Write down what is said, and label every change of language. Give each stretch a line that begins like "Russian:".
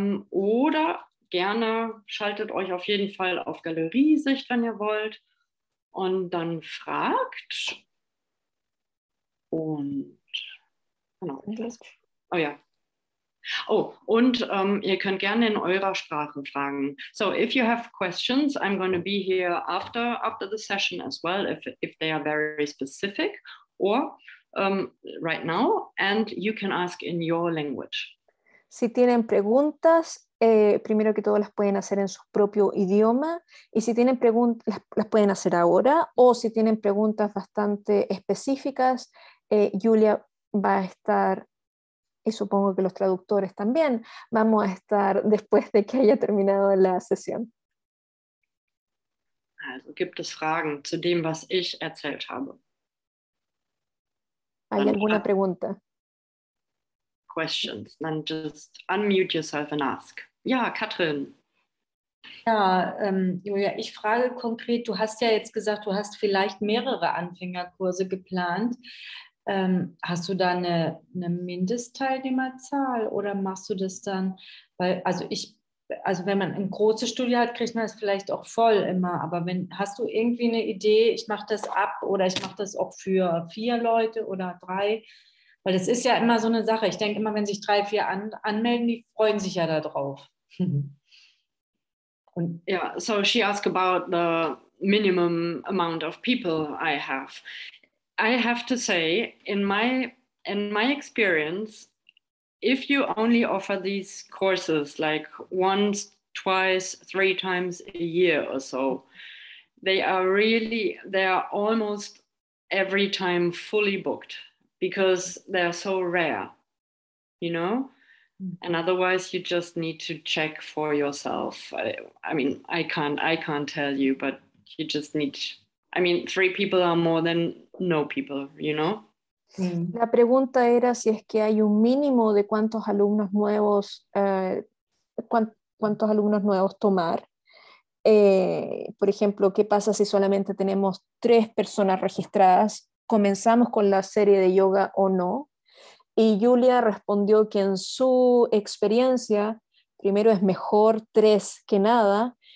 German: Oder gerne schaltet euch auf jeden Fall auf Galeriesicht, wenn ihr wollt. Und dann fragt. Und genau. Oh ja. Oh, und ihr könnt gerne in eurer Sprache fragen.
English: So, if you have questions, I'm going to be here after the session as well, if they are very specific, or right now, and you can ask in your language.
Spanish: Si tienen preguntas, primero que todo las pueden hacer en su propio idioma, y si tienen preguntas, las pueden hacer ahora, o si tienen preguntas bastante específicas, Julia va a estar... Y supongo que los traductores también vamos a estar después de que haya terminado la sesión.
German: Also, gibt es Fragen zu dem, was ich erzählt habe?
Spanish: ¿Hay alguna pregunta?
English: Questions. Then just unmute yourself and ask.
German: Ja, Katrin. Ja, Julia, ich frage konkret, du hast ja jetzt gesagt, du hast vielleicht mehrere Anfängerkurse geplant. Hast du da eine Mindestteilnehmerzahl oder machst du das dann, weil, also wenn man ein großes Studio hat, kriegt man das vielleicht auch voll immer, aber wenn, hast du irgendwie eine Idee, ich mache das ab oder ich mache das auch für vier Leute oder drei, weil das ist ja immer so eine Sache, ich denke immer, wenn sich drei, vier anmelden, die freuen sich ja da drauf. Und, ja,
English: so she asked about the minimum amount of people I have. I have to say, in my experience, if you only offer these courses like once, twice, three times a year or so, they are almost every time fully booked because they're so rare, you know? And otherwise you just need to check for yourself. I can't tell you, but you just need to, I mean, three people are more than no people, you know?
Spanish: La pregunta era si es que hay un mínimo de cuántos alumnos nuevos, cuántos alumnos nuevos tomar. Por ejemplo, ¿qué pasa si solamente tenemos tres personas registradas? ¿Comenzamos con la serie de yoga o no? Y Julia respondió que en su experiencia, primero es mejor tres que nada.